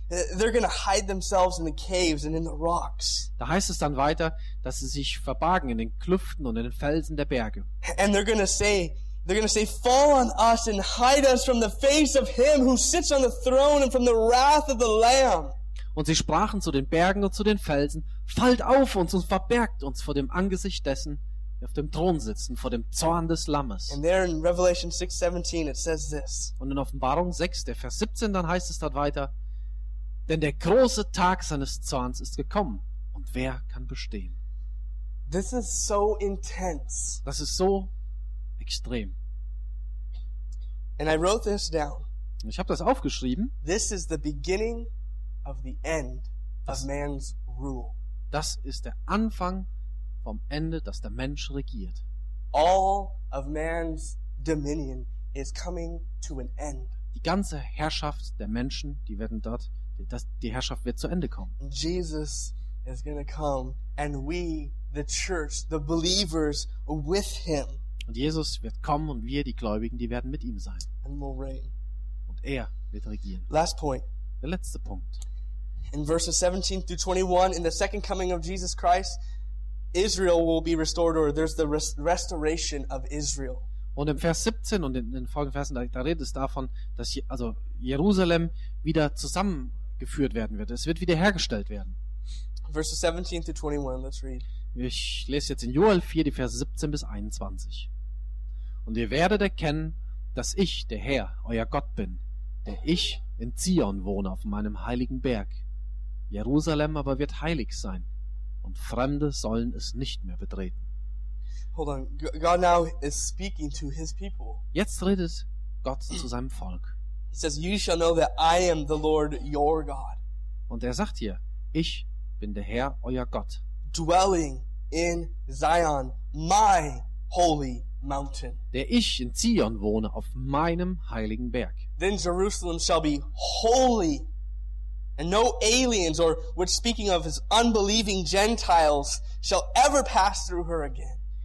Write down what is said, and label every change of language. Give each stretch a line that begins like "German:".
English: They're going to hide themselves in the caves and in the rocks.
German: Da heißt es dann weiter, dass sie sich verbargen in den Klüften und in den Felsen der Berge.
English: And they're going to say, fall on us and hide us from the face of him who sits on the throne and from the wrath of the Lamb.
German: Und sie sprachen zu den Bergen und zu den Felsen, fallt auf uns und verbergt uns vor dem Angesicht dessen, der auf dem Thron sitzt, und vor dem Zorn des Lammes.
English: And there in Revelation 6:17 it says this.
German: Und in Offenbarung 6, der Vers 17, dann heißt es dort weiter, denn der große Tag seines Zorns ist gekommen, und wer kann bestehen?
English: This is so intense.
German: Das ist so extrem.
English: And I wrote this down.
German: Ich habe das aufgeschrieben.
English: This is the beginning of the end of man's rule.
German: Das ist der Anfang vom Ende, dass der Mensch regiert.
English: All of man's dominion is coming to an end.
German: Die ganze Herrschaft der Menschen, die werden dort, die Herrschaft wird zu Ende kommen.
English: Jesus is going to come and we, the church, the believers with him.
German: Und Jesus wird kommen und wir, die Gläubigen, die werden mit ihm sein.
English: And we'll reign.
German: Und er wird regieren.
English: Last point.
German: Der letzte Punkt.
English: In verses 17 through 21, in the second coming of Jesus Christ, Israel will be restored, or there's the restoration of Israel.
German: Und im Vers 17 und in den folgenden Versen, da redet es davon, dass Jerusalem wieder zusammengeführt werden wird. Es wird wiederhergestellt werden.
English: Verses 17 through 21, let's read.
German: Ich lese jetzt in Joel 4, die Verse 17 bis 21. Und ihr werdet erkennen, dass ich, der Herr, euer Gott bin, der ich in Zion wohne auf meinem heiligen Berg. Jerusalem aber wird heilig sein und Fremde sollen es nicht mehr betreten.
English: Hold on. God now is speaking to his people.
German: Jetzt redet Gott zu seinem Volk.
English: He says, you shall know that I am the Lord your God.
German: Und er sagt hier, ich bin der Herr, euer Gott.
English: Dwelling in Zion, my holy mountain.
German: Der ich in Zion wohne, auf meinem heiligen Berg.
English: Then Jerusalem shall be holy, and no aliens, or which speaking of as unbelieving Gentiles, shall ever pass through her again.